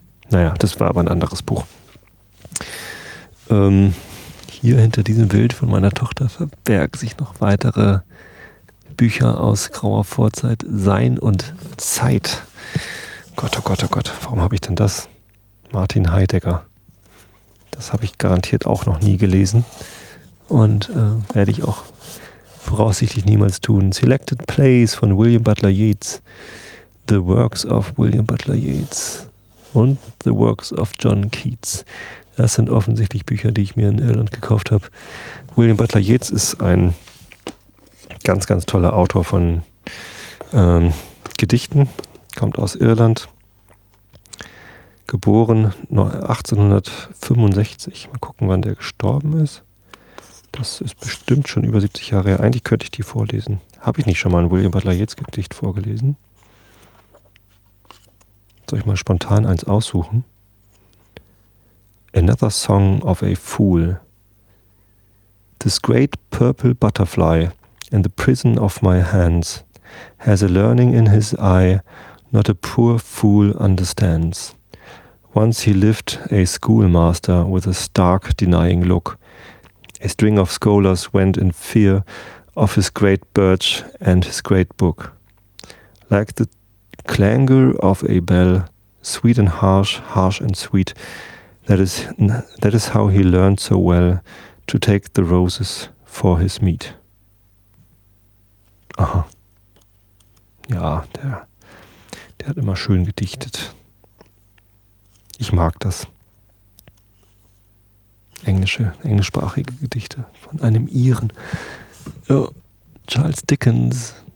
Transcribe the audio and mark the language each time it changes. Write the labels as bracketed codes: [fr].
[de] Naja, das war aber ein anderes Buch. Hier hinter diesem Bild von meiner Tochter verbergen sich noch weitere Bücher aus grauer Vorzeit. Sein und Zeit. Gott, oh Gott, oh Gott. Warum habe ich denn das? Martin Heidegger. Das habe ich garantiert auch noch nie gelesen. Und werde ich auch voraussichtlich niemals tun. [en] Selected Plays von William Butler Yeats. The Works of William Butler Yeats. [de] Und The Works of John Keats. Das sind offensichtlich Bücher, die ich mir in Irland gekauft habe. William Butler Yeats ist ein ganz, ganz toller Autor von Gedichten, kommt aus Irland, geboren 1865. Mal gucken, wann der gestorben ist. Das ist bestimmt schon über 70 Jahre her. Eigentlich könnte ich die vorlesen. Habe ich nicht schon mal ein William Butler Yeats Gedicht vorgelesen? Soll ich mal spontan eins aussuchen? [en] Another Song of a Fool. This great purple butterfly in the prison of my hands has a learning in his eye not a poor fool understands. Once he lived a schoolmaster with a stark denying look. A string of scholars went in fear of his great birch and his great book. Like the clangor of a bell, sweet and harsh, harsh and sweet, that is how he learned so well to take the roses for his meat. Aha. [de] Ja, der hat immer schön gedichtet. Ich mag das. Englischsprachige Gedichte von einem Iren. Oh, Charles Dickens.